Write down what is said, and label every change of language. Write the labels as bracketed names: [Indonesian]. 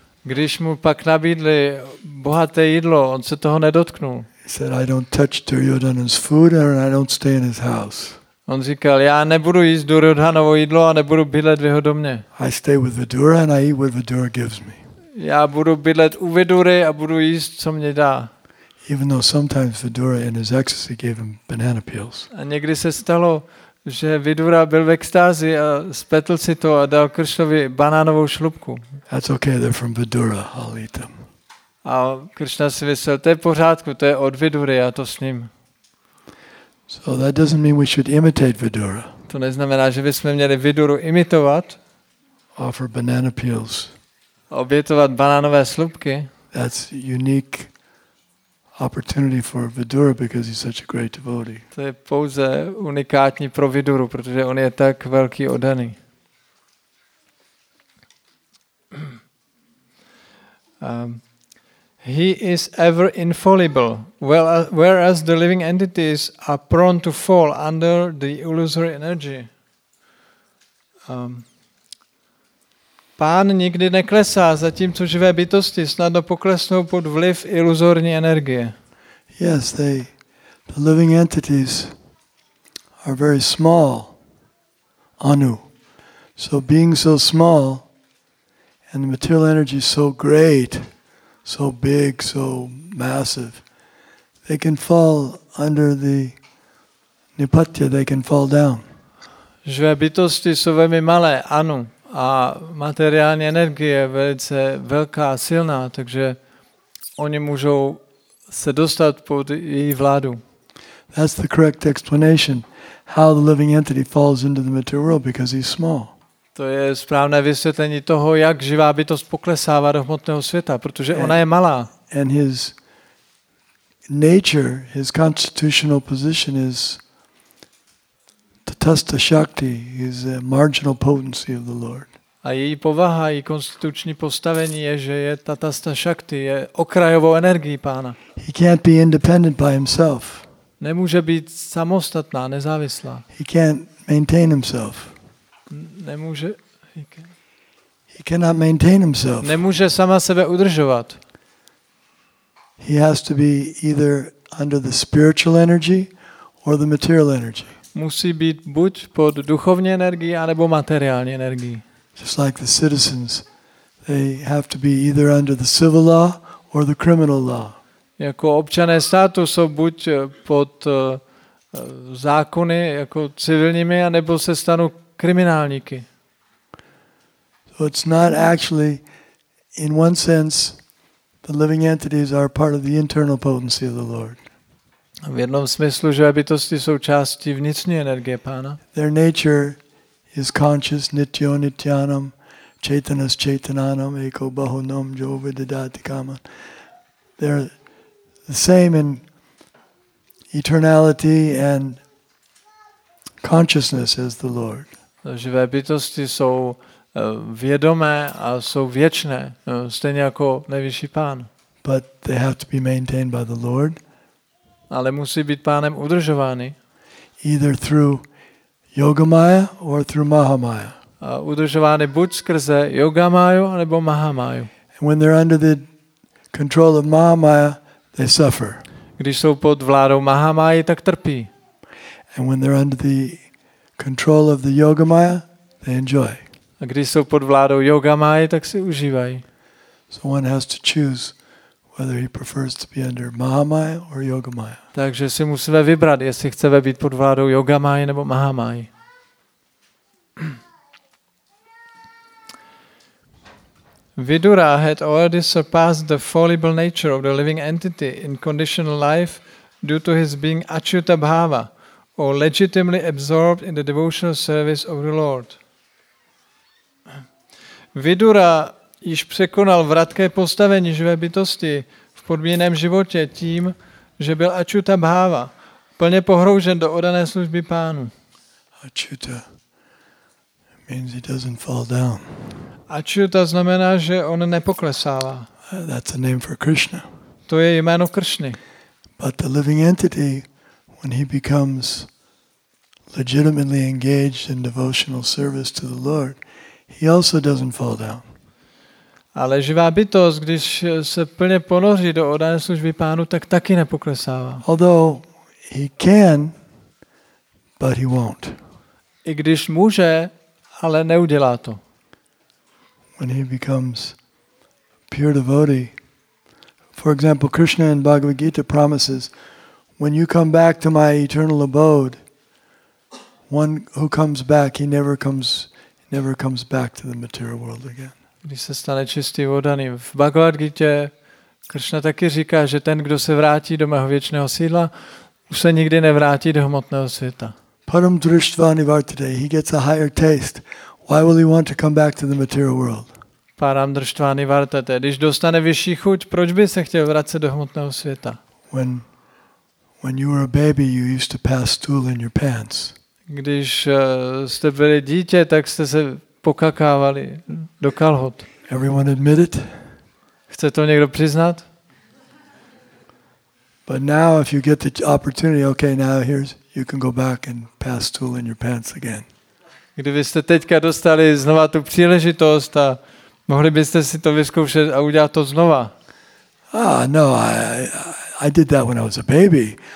[Czech] Když mu pak nabídli bohaté jídlo, on se toho nedotknul. [English] He said, I don't touch Duryodhana's food and I don't stay in his house. [Czech] On říkal, já nebudu jíst Duryodhanovo jídlo a nebudu bydlet v jeho domě. [English] I stay with Vidura and I eat what Vidura gives me. [Czech] Já budu bydlet u Vidury a budu jíst, co mě dá. [English] Even though sometimes Vidura in his ecstasy gave him banana peels. [Czech] A někdy se stalo, že Vidura byl v extázi a spletl si to a dal Kršnovi banánovou šlupku. [English] That's okay, they're from Vidura, I'll eat them. [Czech] A Kršna si myslel, to je v pořádku, to je od Vidury, já to s ním. [English] So that doesn't mean we should imitate Vidura. [Czech] To neznamená, že bychom měli Viduru imitovat. [English] Offer banana peels. [Czech] Obětovat banánové slupky. [English] That's unique opportunity for Vidura because he's such a great devotee. [Czech] To je pouze unikátní pro Viduru, protože on je tak velký oddaný. [English] He is ever infallible, whereas the living entities are prone to fall under the illusory energy. [Czech] Pán nikdy neklesá, zatímco živé bytosti snadno poklesnou pod vliv iluzorní energie. [English] Yes, the living entities are very small, Anu. So being so small and the material energy so great, so big, so massive, they can fall under the nipatya, they can fall down. [Czech] Živé bytosti jsou velmi malé, Anu, a materiální energie je velice velká a silná, takže oni můžou se dostat pod její vládu. [English] That's the correct explanation how the living entity falls into the material world because he's small. [Czech] To je správné vysvětlení toho, jak živá bytost poklesává do hmotného světa, protože ona je malá. [English] And his nature, his constitutional position is tatastha shakti, is a marginal potency of the Lord. [Czech] A její povaha, její konstituční postavení je, že je tatastha shakti, je okrajovou energií Pána. [English] He can't be independent by himself. [Czech] Nemůže být samostatná, nezávislá. [English] He can't maintain himself. He cannot maintain himself. [Czech] Nemůže sama sebe udržovat. [English] He has to be either under the spiritual energy or the material energy. [Czech] Musí být buď pod duchovní energií anebo materiální energií. [English] Just like the citizens, they have to be either under the civil law or the criminal law. [Czech] Jako občané státu jsou buď pod zákony jako civilními anebo se stanou kriminálníky. [English] So it's not actually, in one sense, the living entities are part of the internal potency of the Lord. [Czech] V jednom smyslu, že bytosti jsou části vnitřní energie Pána. [English] Their nature is conscious, [Sanskrit] nityo nityanam, chaitanas chaitananam, eko bahunam, jove didati kama. [English] They're the same in eternality and consciousness as the Lord. [Czech] Živé bytosti jsou vědomé a jsou věčné, stejně jako nejvyšší Pán. [English] But they have to be maintained by the Lord. [Czech] ale musí být pánem udržovány. [English] Either through yogamaya or through mahamaya. [Czech] A udržovány buď skrze yogamayu nebo mahamayu. [English] And when they're under the control of mahamaya, they suffer. [Czech] Když jsou pod vládou mahamayy, tak trpí. [English] And when they're under the control of the yogamaya, they enjoy. [Czech] A když jsou pod vládou yogamayy, tak si užívají. [English] So one has to choose whether he prefers to be under mahamaya or yogamaya. [Czech] Takže si musíme vybrat, jestli chceme být pod vládou yogamayy nebo mahamayy. [English] Vidura had already surpassed the fallible nature of the living entity in conditional life due to his being achyuta bhava, or legitimately absorbed in the devotional service of the Lord. [Czech] Vidura již překonal vratké postavení živé bytosti v podmíněném životě tím, že byl achyuta bhava, plně pohroužen do oddané služby pánu. [English] Achyuta means he doesn't fall down. [Czech] Achyuta znamená, že on nepoklesává. [English] That's a name for Krishna. [Czech] To je jméno Kršny. [English] But the living entity, when he becomes legitimately engaged in devotional service to the Lord, he also doesn't fall down. [Czech] Ale živá bytost, když se plně ponoří do oddané služby pánu, tak taky nepoklesává. [English] Although he can, but he won't. [Czech] I když může, ale neudělá to. [English] When he becomes pure devotee, for example, Krishna in Bhagavad Gita promises, when you come back to my eternal abode, one who comes back, he never comes back to the material world again. [Czech] Když se stane čistý oddaný. V Bhagavad Gita Krishna taky říká, že ten, kdo se vrátí do mého věčného sídla, už se nikdy nevrátí do hmotného světa. [Sanskrit] Param drishtva nivartate, [English] he gets a higher taste. Why will he want to come back to the material world? [Sanskrit] Param drishtva nivartate, [Czech] když dostane vyšší chuť, proč by se chtěl vrátit do hmotného světa? [English] When you were a baby, you used to pass stool in your pants. [Czech] Když jste byli dítě, tak jste se pokakávali do kalhot. [English] Everyone admit it? [Czech] Chce to někdo přiznat? [English] But now if you get the opportunity, okay, now here's you can go back and pass stool in your pants again. [Czech] Kdybyste teďka dostali znova tu příležitost a mohli byste si to vyzkoušet a udělat to znova. [English] Ah, no, I did that when I was a baby.